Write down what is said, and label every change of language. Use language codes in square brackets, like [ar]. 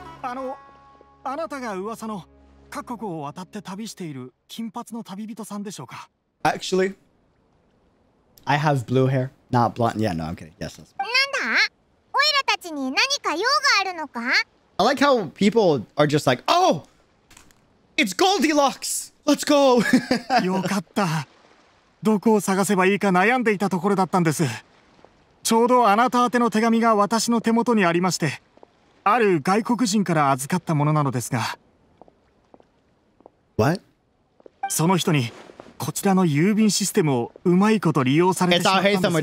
[ja] あなたが噂の各国を渡って旅している金髪の旅人さんでしょうか? [en] Actually, I have blue hair, not blonde. Yeah, no, I'm kidding. Yes, that's [ja] なんだ? オイラたちに何か用があるのか? [en] I like how people are just like, oh, it's Goldilocks. Let's go. [ja] よかった。どこを探せばいいか悩んでいたところだったんです。ちょうどあなた宛ての手紙が私の手元にありまして、ある外国人から預かったものなのですが。 [en] What? [ja] その人にこちらの郵便システムをうまいこと利用されてしまったんです。